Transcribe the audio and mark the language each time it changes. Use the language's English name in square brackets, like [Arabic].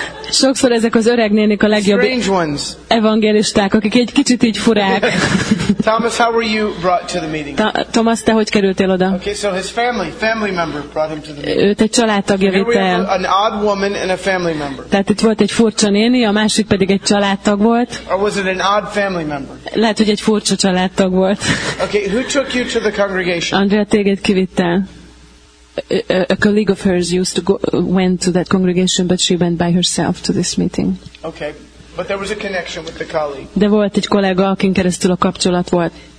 [Hungarian] Sokszor ezek az öreg nénik a legjobb evangélisták, akik egy kicsit így furák. [English] Thomas, how were you brought to the meeting? [Hungarian] Thomas, te hogy kerültél oda? [English] Okay, so his family member brought him to the meeting. [Hungarian] Őt egy családtagja vitte el. [English] An odd woman and a family member. [Hungarian] Tehát itt volt egy furcsa néni, a másik pedig egy családtag volt. [English] Or was it an odd family member? [Hungarian] Lehet, hogy egy furcsa családtag volt. [English] Okay, who took you to the congregation? [Hungarian] Andrea, téged kivitte. [English] A colleague of hers went to that congregation, but she went by herself to this meeting. Okay, but there was a connection with the colleague. [Hungarian] De volt egy kollega, akin keresztül a kapcsolat volt.